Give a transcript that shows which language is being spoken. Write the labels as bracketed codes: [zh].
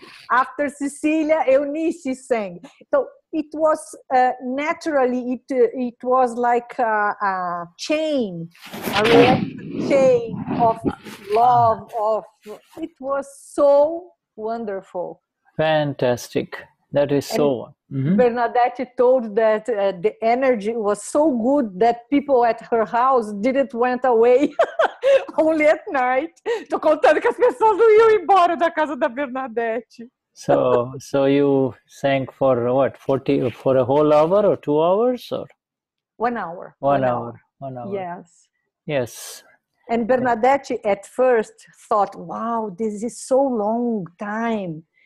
[en] After Cecilia, Eunice sang. So it was naturally, it was like a chain, a chain of love. Of it was so wonderful. Fantastic. That is so. Bernadette told that the energy was so good that people at her house didn't went away only at night. [pt] Tô contando que as pessoas não iam embora da casa da Bernadette. [en] So you sang for what, 40, for a whole hour or 2 hours? Or 1 hour. One hour. Yes. Yes. And Bernadette at first thought, wow, this is so long time.